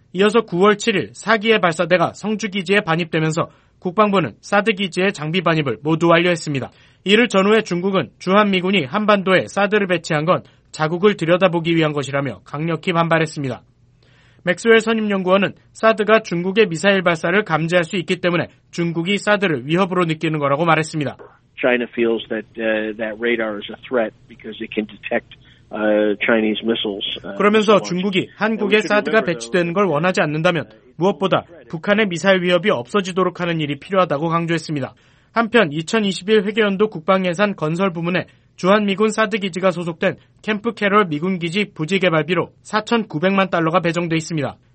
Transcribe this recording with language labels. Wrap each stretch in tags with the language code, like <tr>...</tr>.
<ko>이어서 9월 7일 4기의 발사대가 성주기지에 반입되면서 국방부는 사드기지의 장비 반입을 모두 완료했습니다. 이를 전후해 중국은 주한미군이 한반도에 사드를 배치한 건 자국을 들여다보기 위한 것이라며 강력히 반발했습니다. 맥스웰 선임연구원은 사드가 중국의 미사일 발사를 감지할 수 있기 때문에 중국이 사드를 위협으로 느끼는 거라고 말했습니다.</ko> <en>China feels that radar is a threat because it can detect Chinese missiles.</en> <ko>그러면서 중국이 한국에 사드가 배치되는 걸 원하지 않는다면 무엇보다 북한의 미사일 위협이 없어지도록 하는 일이 필요하다고 강조했습니다. 한편 2021 회계연도 국방예산 건설 부문에 주한미군 사드기지가 소속된 캠프 캐럴 미군기지 부지 개발비로 4,900만 달러가 배정돼 있습니다.</ko>